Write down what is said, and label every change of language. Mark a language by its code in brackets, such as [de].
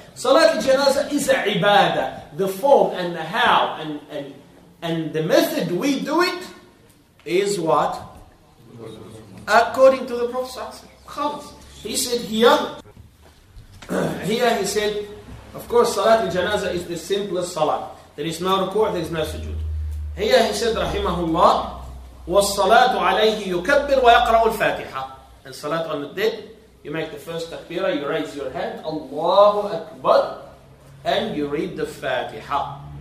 [en] Salat al-janaza is a ibadah. The form and the how and the method we do it is what? According to the Prophet. He said here he said, of course, Salat al-janaza is the simplest salat. There is no ruku', there is no sujood. Here he said, [ar] rahimahullah, وَالصَّلَاةُ عَلَيْهِ يُكَبِّرُ وَيَقْرَأُ الْفَاتِحَةِ. [en] And salat on the dead, you make the first takbirah, you raise your hand, Allahu Akbar, and you read the Fatiha.